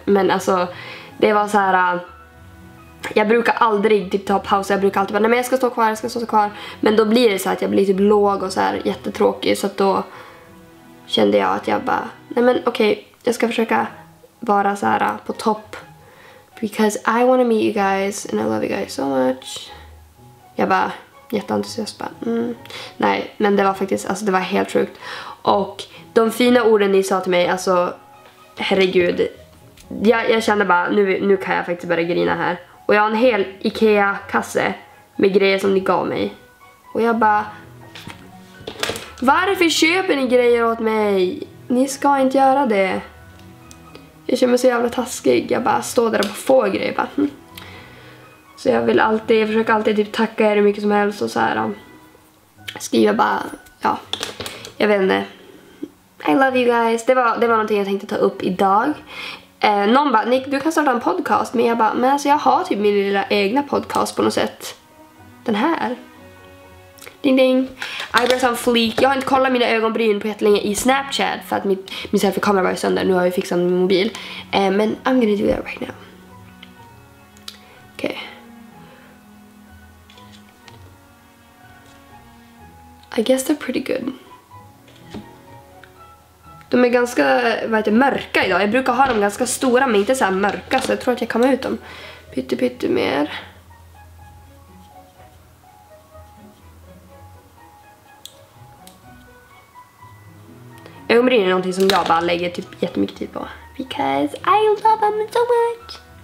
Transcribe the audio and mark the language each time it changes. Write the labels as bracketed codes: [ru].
[sv] Men alltså, det var så här. Jag brukar aldrig typ ta paus. Jag brukar alltid bara, nej men jag ska stå kvar. Men då blir det så att jag blir typ låg och så här jättetråkig. Så att då kände jag att jag bara, nej men okej, okay, jag ska försöka vara så här på topp. [en] Because I want to meet you guys and I love you guys so much. [sv] Jag bara, jätteentusiast bara, nej, men det var faktiskt, alltså det var helt sjukt. Och de fina orden ni sa till mig, alltså herregud, jag kände bara, nu kan jag faktiskt börja grina här. Och jag har en hel IKEA-kasse med grejer som ni gav mig. Och jag bara, Varför köper ni grejer åt mig? Ni ska inte göra det. Jag känner mig så jävla taskig. Jag bara står där och bara får grejer. Bara. Så jag vill alltid, jag försöker alltid typ tacka er hur mycket som helst och så här. Skriva bara, ja. Jag vet inte. [en] I love you guys. [sv] Det var någonting jag tänkte ta upp idag. Någon bara, Nick, du kan starta en podcast. Men jag bara, men alltså jag har typ min lilla egna podcast på något sätt. Den här. Ding ding. [en] Eyebrows on fleek. [sv] Jag har inte kollat mina ögonbryn på jättelänge i Snapchat. För att min selfie-kamera var sönder. Nu har jag fixat min mobil. [en] Men I'm gonna do that right now. Okej. Okay. I guess they're pretty good. [sv] De är ganska, vad heter, mörka idag. Jag brukar ha dem ganska stora men inte så här mörka. Så jag tror att jag kommer ut dem. Pytte mer. Ögonbryn är någonting som jag bara lägger typ jättemycket tid på. [en] Because I love them so much.